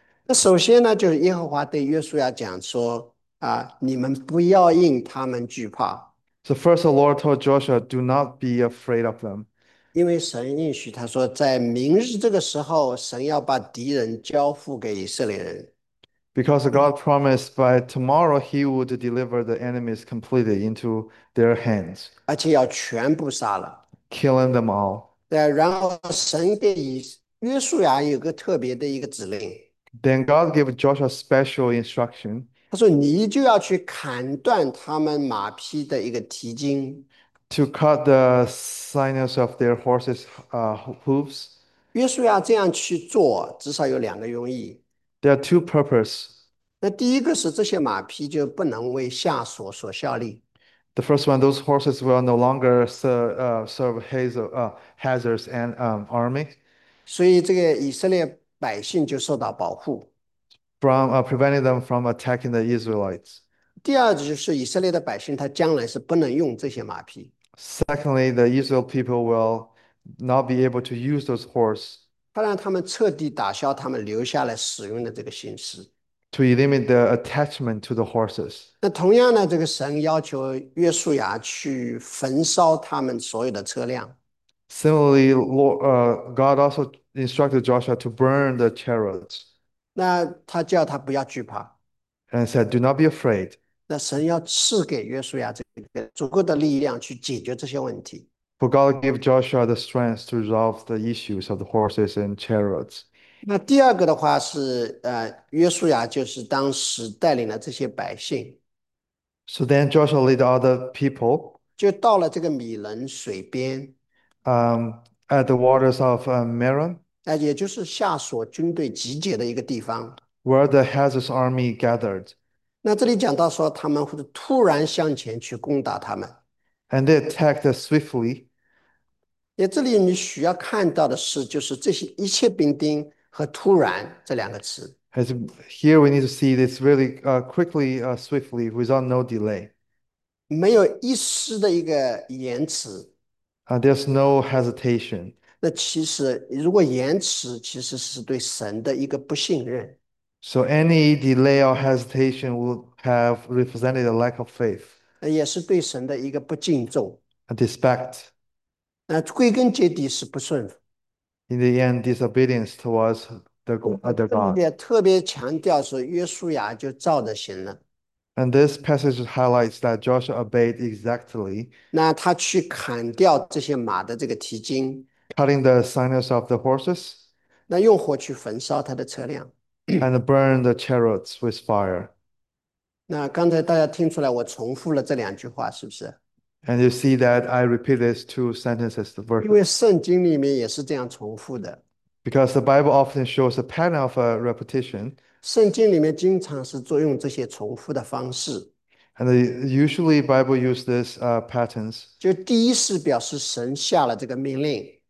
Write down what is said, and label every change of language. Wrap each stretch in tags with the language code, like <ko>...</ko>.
<zh>那首先呢，就是耶和华对约书亚讲说：“你们不要因他们惧怕，</zh> <en>So first, the Lord told Joshua, "Do not be afraid of them."</en> <zh>因为神应许他说，在明日这个时候，神要把敌人交付给以色列人。</zh> <en>Because God promised by tomorrow he would deliver the enemies completely into their hands,</en> <zh>而且要全部杀了。</zh> <en>killing them all.</en> <zh>对，然后神给约书亚有个特别的一个指令。</zh> <en>Then God gave Joshua special instruction</en> <zh>他说：“你就要去砍断他们马匹的一个蹄筋。</zh> <en>to cut the sinews of their horses' hooves.</en> <zh>”约书亚这样去做，至少有两个用意。</zh> <en>There are two purposes.</en> <zh>那第一个是这些马匹就不能为夏所所效力。</zh> <en>The first one, those horses will no longer serve Hazor's army</en> <zh>所以这个以色列百姓就受到保护。</zh> <en>from preventing them from attacking the Israelites.</en> <zh>第二就是以色列的百姓，他将来是不能用这些马匹。</zh> <en>Secondly, the Israel people will not be able to use those horses</en> <zh>他让他们彻底打消他们留下来使用的这个心思。</zh> <en>to eliminate the attachment to the horses.</en> <zh>那同样呢，这个神要求约书亚去焚烧他们所有的车辆。</zh> <en>Similarly, God also instructed Joshua to burn the chariots</en> <zh>那他叫他不要惧怕。</zh> <en>and said, "Do not be afraid."</en> <zh>那神要赐给约书亚这个足够的力量去解决这些问题。</zh> <en>For God gave Joshua the strength to resolve the issues of the horses and chariots.</en> <zh>那第二个的话是，约书亚就是当时带领了这些百姓，</zh> <en>So then Joshua led all the people</en> <zh>就到了这个米仑水边，</zh> <en>at the waters of Merom,</en> <zh>那也就是夏所军队集结的一个地方。</zh> <en>where the Hazor's army gathered.</en> <zh>那这里讲到说，他们会突然向前去攻打他们。</zh> <en>And they attacked us swiftly.</en> <zh>也这里你需要看到的是，就是这些一切兵丁和突然这两个词。</zh> <en>As here we need to see this really quickly, swiftly, without no delay.</en> <zh>没有一丝的一个延迟。</zh> <en>There's no hesitation.</en> <zh>那其实，如果延迟，其实是对神的一个不信任。</zh> <en>So any delay or hesitation would have represented a lack of faith,</en> <zh>也是对神的一个不敬重。</zh> <en>a disrespect.</en> <zh>那归根结底是不顺服。</zh> <en>In the end, disobedience towards the</en> <zh>这里</zh> <en>God.</en> <zh>也特别强调说，约书亚就照着行了。</zh> <en>And this passage highlights that Joshua obeyed exactly,</en> <zh>那他去砍掉这些马的这个蹄筋，</zh> <en>cutting the sinews of the horses</en> <zh>那用火去焚烧他的车辆。</zh> <en>and burn the chariots with fire.</en> <zh>那刚才大家听出来，我重复了这两句话，是不是？</zh> <en>And you see that I repeat these two sentences, the verse.</en> <zh>因为圣经里面也是这样重复的。</zh> <en>Because the Bible often shows a pattern of a repetition.</en> <zh>圣经里面经常是作用这些重复的方式。</zh> <en>And usually Bible use these patterns.</en> <zh>就第一是表示神下了这个命令，</zh>